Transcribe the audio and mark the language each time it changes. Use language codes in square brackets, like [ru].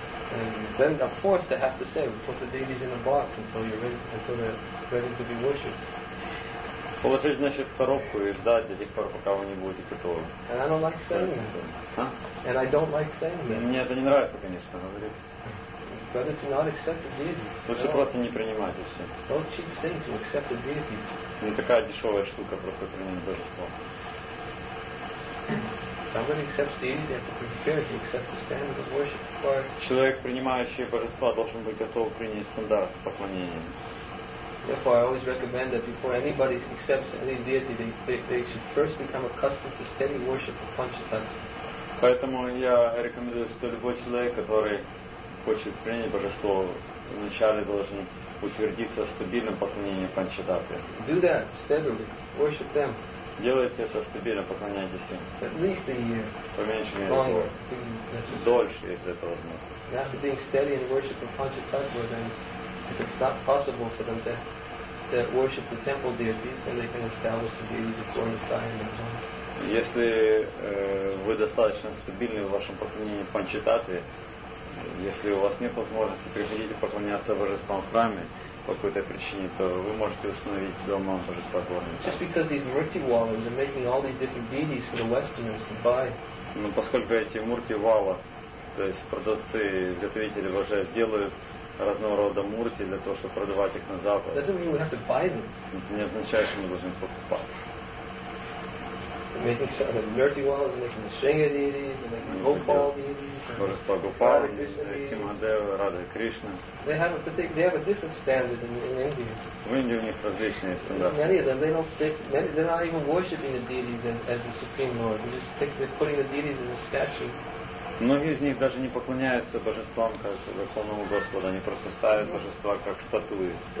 [en] And then, of course, they have to say, we put the deities in a box until you're ready, until they're ready to be worshipped. [ru] Положить, значит, в коробку и ждать до тех пор, пока вы не будете готовы. [en] And I don't like saying that. And I don't like saying that. [ru] Мне это не нравится, конечно, говорить. [en] Better to not accept the deities. [ru] Лучше просто не принимать и все. [en] It's no cheap thing to accept the deities. [ru] Не такая дешевая штука просто принять божество. [en] Somebody accepts deities, they have to be prepared to accept the standard of worship required. [ru] Человек, принимающий божества, должен быть готов принять стандарт поклонения. [en] Therefore, I always recommend that before anybody accepts any deity, they should first become accustomed to steady worship of Panchatattva. [ru] Поэтому я рекомендую, что любой человек, который хочет принять божество, вначале должен утвердиться в стабильном поклонении Панчататтве. [en] Do that steadily. Worship them. [ru] Делайте это стабильно, поклоняйтесь им. [en] At least a year. [ru] По меньшей мере. [en] Longer. [ru] Дольше, если это возможно. [en] And after being steady in worship of Panchatattva, then if it's not possible for them to worship the temple deities, then they can establish the deities according to time. [ru] Если вы достаточно стабильны в вашем поклонении Панчататтве, если у вас нет возможности приходить и поклоняться божествам в храме, по какой-то причине, то вы можете установить дома божества дворника. [en] Just because these murti wallas are making all these different deities for the westerners to buy. [ru] Но поскольку эти murti wallas, то есть продавцы, изготовители божеств, делают разного рода мурти для того, чтобы продавать их на Запад. [en] Doesn't mean we have to buy them. [ru] Это не означает, что мы должны покупать. [en] They're making some murti wallas, making the Shringa deities, making Gopal deities. [ru] Божества Гопал, Симхадева, Радха Кришна. [en] They have a different standard in India. [ru] В Индии у них различные стандарты. [en] Many of them, they're not even worshiping the deities as the supreme lord. They're putting the deities as a statue. [ru] Многие из них даже не поклоняются божествам как Верховному Господу, они просто ставят божества как статуи.